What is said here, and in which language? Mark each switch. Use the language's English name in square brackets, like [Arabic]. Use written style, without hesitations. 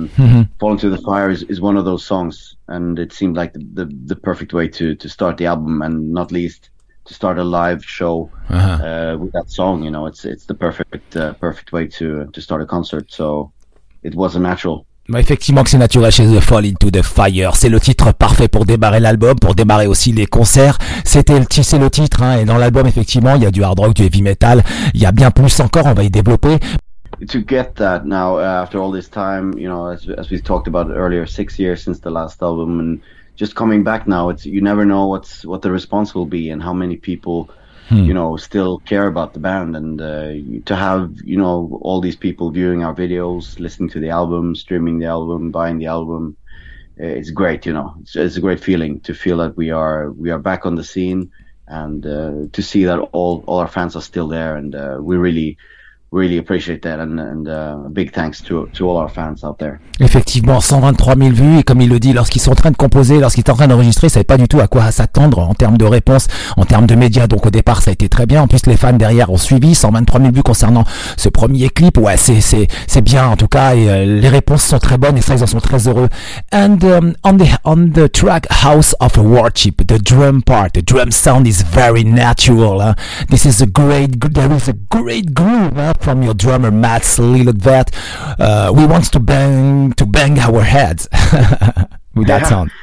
[English] And Fall Into the Fire is one of those songs. And it seemed like the perfect way to start the album, and not least to start a live show with that song. You know, it's the perfect way to start a concert, so it was a natural. [French] Effectivement que c'est naturel chez The Fall Into The Fire. C'est le titre parfait pour démarrer l'album, pour démarrer aussi les concerts. C'est le titre, hein. Et dans l'album, effectivement, il y a du hard rock, du heavy metal, il y a bien plus encore, on va y développer. [English] To get that now, after all this time, you know, as we talked about earlier, 6 years since the last album, and just coming back now, it's, you never know what the response will be and how many people, you know, still care about the band. And to have, you know, all these people viewing our videos, listening to the album, streaming the album, buying the album, it's great, you know. It's a great feeling to feel that we are back on the scene, and to see that all our fans are still there. And we really... really appreciate that, and big thanks to all our fans out there. [French] Effectivement, 123 000 vues, et comme il le dit, lorsqu'ils sont en train de composer, lorsqu'ils sont en train d'enregistrer, ils ne savaient pas du tout à quoi s'attendre en termes de réponse, en termes de médias. Donc au départ, ça a été très bien. En plus, les fans derrière ont suivi. 123 000 vues concernant ce premier clip, ouais, c'est bien en tout cas, et les réponses sont très bonnes, et ça, ils en sont très heureux. [English] And on the track House of Worship, the drum part, the drum sound is very natural. Huh? This is a great, there is a great groove. Huh? From your drummer Mats Lillegvert, we want to bang our heads with that sound.